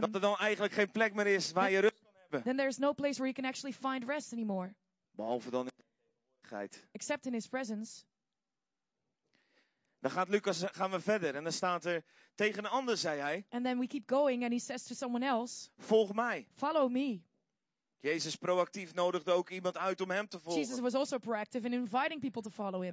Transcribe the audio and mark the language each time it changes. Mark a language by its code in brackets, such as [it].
[nl] Dat er dan eigenlijk geen plek meer is waar je rust kan hebben. [en] Then there's no place where you can actually find rest anymore. [nl] Behalve dan in zijn. [en] Except in his presence. [nl] Dan gaat Lucas, gaan we verder. En dan staat er tegen een ander, zei hij. [en] And then we keep going and he says to someone else. [nl] Volg mij. [en] Follow me. [nl] Jezus proactief nodigde ook iemand uit om hem te volgen. [en] Jesus was also proactive in inviting people to follow him.